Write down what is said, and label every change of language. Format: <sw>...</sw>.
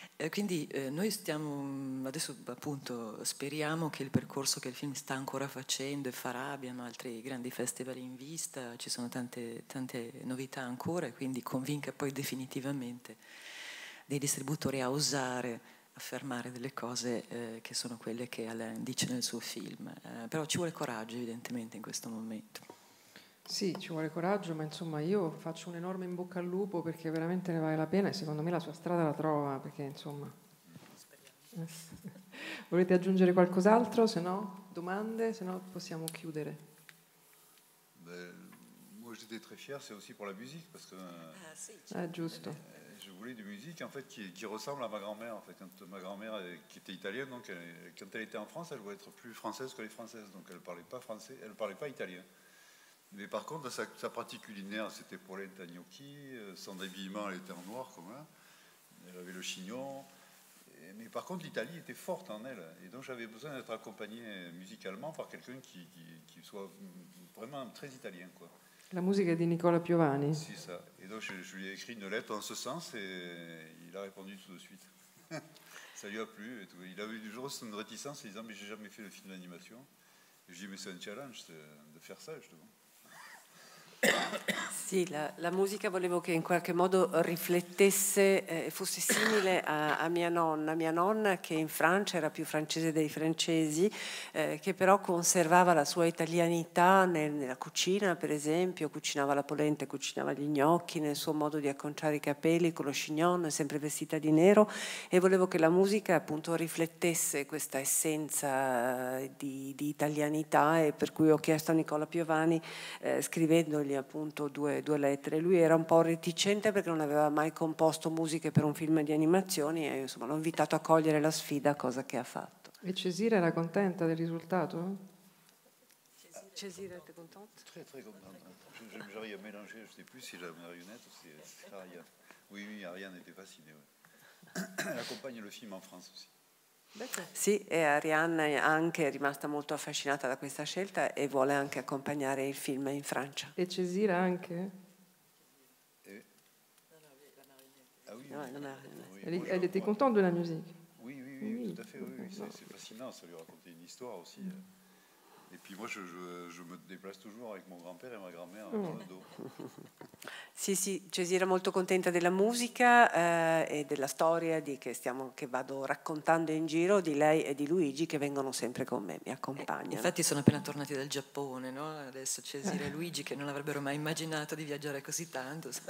<it>Quindi noi stiamo, adesso appunto speriamo che il percorso che il film sta ancora facendo e farà, abbiamo altri grandi festival in vista, ci sono tante novità ancora e quindi convinca poi definitivamente dei distributori a osare affermare delle cose che sono quelle che Alain dice nel suo film, però ci vuole coraggio evidentemente in questo momento. Sì, ci vuole coraggio, ma insomma io faccio un enorme in bocca al lupo perché veramente ne vale la pena e secondo me la sua strada la trova, perché insomma. Speriamo. Volete aggiungere qualcos'altro? Se no, domande, se no possiamo chiudere.</it> <fr>Beh, moi j'étais très fier, c'est aussi pour la musique parce que</fr> <it>giusto.</it> <fr>Je voulais une musique en fait qui ressemble à ma grand-mère en fait. Quand ma grand-mère qui était italienne, donc quand elle était en France, elle voulait être plus française que les françaises, donc elle parlait pas français, elle parlait pas italien. Mais par contre, sa pratique culinaire, c'était polenta et gnocchi, son habillement, elle était en noir comme là. Elle avait le chignon. Mais par contre, l'Italie était forte en elle, et donc j'avais besoin d'être accompagné musicalement par quelqu'un qui soit vraiment très italien, quoi.</fr> <it>La musica è di Nicola Piovani. Sì, sa.</it> <fr>E donc je lui ai écrit une lettre en ce sens et il a répondu tout de suite. Ça lui a plu. Et tout. Il a eu du jour une réticence en disant mais j'ai jamais fait le film d'animation. Je lui ai dit mais c'est un challenge de faire ça justement.</fr> <it>Sì, la musica volevo che in qualche modo riflettesse, fosse simile a mia nonna. Mia nonna, che in Francia era più francese dei francesi, che però conservava la sua italianità nella cucina, per esempio, cucinava la polenta, cucinava gli gnocchi, nel suo modo di acconciare i capelli con lo chignon, sempre vestita di nero, e volevo che la musica appunto riflettesse questa essenza di italianità, e per cui ho chiesto a Nicola Piovani, scrivendogli appunto due lettere. Lui era un po' reticente perché non aveva mai composto musiche per un film di animazioni, e insomma l'ho invitato a cogliere la sfida, cosa che ha fatto. E Cesira era contenta del risultato?</it> <fr>Cesira, te contente? Très, très contente. J'arrive à mélanger, je ne sais plus si la marionnette ou si Ariane. Oui, oui, Ariane était fascinée. Ouais. Elle accompagne le film en France aussi.</fr> <it>Sì, e Ariane anche è rimasta molto affascinata da questa scelta e vuole anche accompagnare il film in Francia. E Cesira anche?</it> <fr>Elle était contente de la musique. Oui, oui, oui, oui, tout à fait. Oui, oui. C'est fascinant, ça lui racontait une histoire aussi. Et puis moi, je me déplace toujours avec mon grand-père et ma grand-mère dans le dos.</fr> <it>Sì, sì, Cesira molto contenta della musica e della storia che vado raccontando in giro di lei e di Luigi, che vengono sempre con me, mi accompagnano. Infatti sono appena tornati dal Giappone, no? Adesso Cesira e Luigi, che non avrebbero mai immaginato di viaggiare così tanto.</it>